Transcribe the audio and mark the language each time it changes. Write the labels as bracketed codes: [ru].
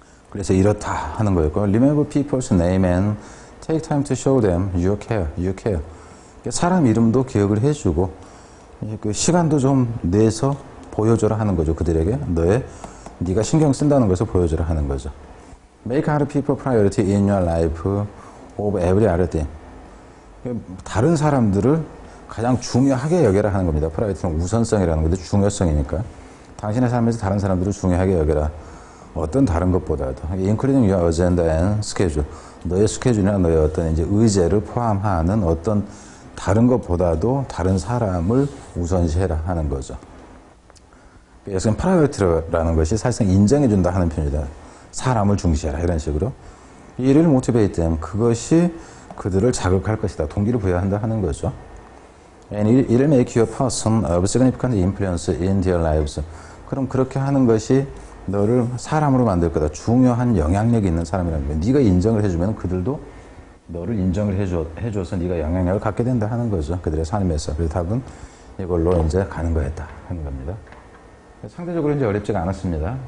[ko] 그래서 이렇다 하는 거였고 [en] Remember people's name and take time to show them you care. You care. [ko] 사람 이름도 기억을 해주고. 그 시간도 좀 내서 보여줘라 하는 거죠. 그들에게 너의 네가 신경 쓴다는 것을 보여줘라 하는 거죠. [en] Make other people priority in your life of every other thing. [ko] 다른 사람들을 가장 중요하게 여겨라 하는 겁니다. Priority는 우선성이라는 건데 중요성이니까 당신의 삶에서 다른 사람들을 중요하게 여겨라. 어떤 다른 것보다도 [en] including your agenda and schedule. [ko] 너의 스케줄이나 너의 어떤 이제 의제를 포함하는 어떤 다른 것보다도 다른 사람을 우선시해라 하는 거죠. 그래서 프라이어티라는 것이 사실상 인정해준다 하는 편이다. 사람을 중시해라 이런 식으로. 이를 모티베이트 그것이 그들을 자극할 것이다. 동기를 부여한다 하는 거죠. [en] And it'll make your person of significant influence in their lives. [ko] 그럼 그렇게 하는 것이 너를 사람으로 만들 거다. 중요한 영향력이 있는 사람이라는 거예요. 네가 인정을 해주면 그들도 너를 인정을 해줘서 네가 영향력을 갖게 된다 하는 거죠. 그들의 삶에서. 그 답은 이걸로 이제 가는 거였다 하는 겁니다. 상대적으로 이제 어렵지가 않았습니다.